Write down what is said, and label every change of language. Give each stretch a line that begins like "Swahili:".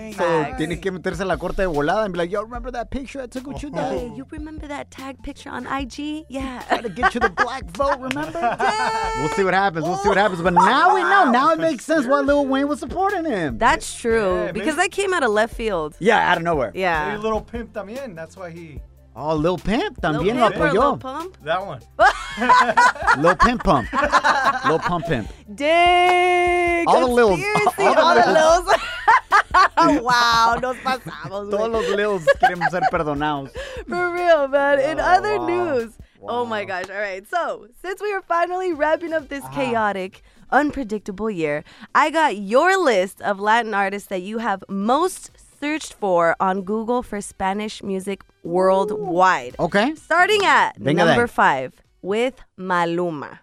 English: So,
Spanish: tiene que meterse a la corte de volada
English: and be like, yo, remember that picture I took with you, dad? Hey, you remember that tag picture on IG? Yeah. Try to get you the black vote, remember? Dang. We'll see what happens. We'll see what happens. But now we know. Now it makes sense why Lil Wayne was supporting him. That's true. Yeah, because that came out of left field. Yeah, out of nowhere. Yeah. Hey, little pimp
Spanish: también.
English: That's why he...
Spanish: Oh, Lil Pimp, también lo apoyó.
English: Lil Pump? That one. Lil Pimp Pump. Lil Pump Pimp. Dang. All the Lils. Seriously, all the Lils. Wow,
Spanish: nos pasamos. Todos los Lils queremos ser perdonados.
English: For real, man. In other news. Wow. Oh, my gosh. All right. So, since we are finally wrapping up this chaotic, unpredictable year, I got your list of Latin artists that you have most searched for on Google for Spanish music worldwide. Okay. Starting at number 5 with Maluma.